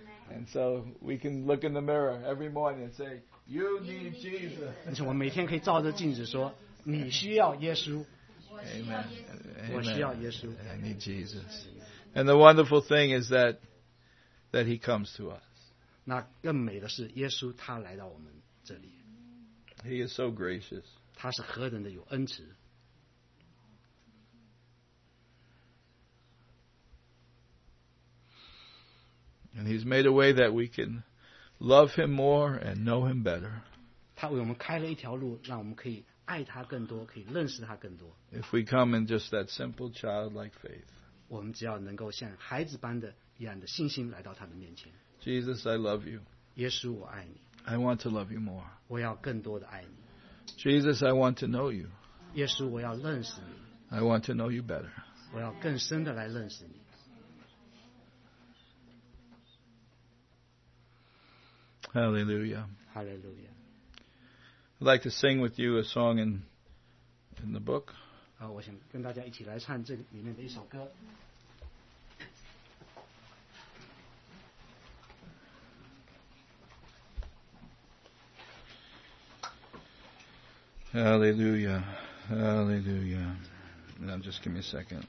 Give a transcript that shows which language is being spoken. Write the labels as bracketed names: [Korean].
[English] And so we can look in the mirror every morning and say, "You need Jesus." [Chinese] 而且我每天可以照着镜子说，你需要耶稣。 [English] Amen. [Chinese] 我需要耶稣。 [English] I need Jesus. And the wonderful thing is that He comes to us. [Chinese] 那更美的是耶稣他来到我们这里。 [English] He is so gracious. [Chinese] 他是何等的有恩慈。 [English] And He's made a way that we can love Him more and know Him better. [Chinese] 他为我们开了一条路，让我们可以爱他更多，可以认识他更多。 [English] If we come in just that simple childlike faith. [Chinese] 我们只要能够像孩子般的一样的信心来到他的面前。 [English] Jesus, I love you. [Chinese] 耶稣，我爱你。 [English] I want to love you more. [Chinese] 我要更多的爱你。 [English] Jesus, I want to know you. [Chinese] 耶稣，我要认识你。 [English] I want to know you better. [Chinese] 我要更深的来认识你。 [English] Hallelujah. Hallelujah. I'd like to sing with you a song in the book. [Chinese] 我想跟大家一起来唱这里面的一首歌。 [English] Hallelujah. Hallelujah. Now just give me a second.